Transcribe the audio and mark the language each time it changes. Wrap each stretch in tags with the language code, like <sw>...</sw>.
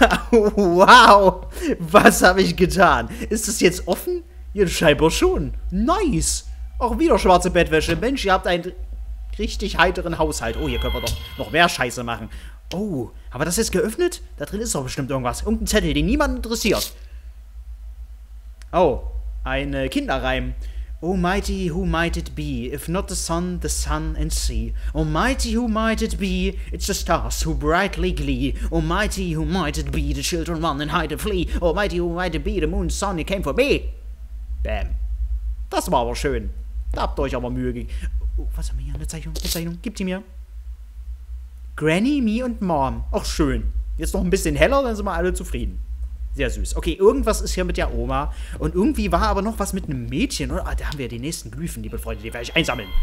<de>Wow. Was habe ich getan? Ist das jetzt offen? Ja, scheinbar schon. Nice. Auch wieder schwarze Bettwäsche. Mensch, ihr habt einen richtig heiteren Haushalt. Oh, hier können wir doch noch mehr Scheiße machen. Oh, haben wir das jetzt geöffnet? Da drin ist doch bestimmt irgendwas. Irgendein Zettel, den niemand interessiert. Oh, ein Kinderreim.</de> <en>Oh mighty, who might it be? If not the sun and sea. Oh mighty, who might it be? It's the stars who brightly glee. Oh mighty, who might it be? The children run and hide and flee. Oh mighty, who might it be? The moon, sun, it came for me.</en> <de>Bam. Das war aber schön. Da habt ihr euch aber Mühe gegeben. Oh, was haben wir hier? Eine Zeichnung. Gib die mir. Granny, me und Mom. Ach, schön. Jetzt noch ein bisschen heller, dann sind wir alle zufrieden. Sehr süß. Okay, irgendwas ist hier mit der Oma. Und irgendwie war aber noch was mit einem Mädchen, oder? Ah, da haben wir ja die nächsten Glyphen, liebe Freunde. Die werde ich einsammeln.</de>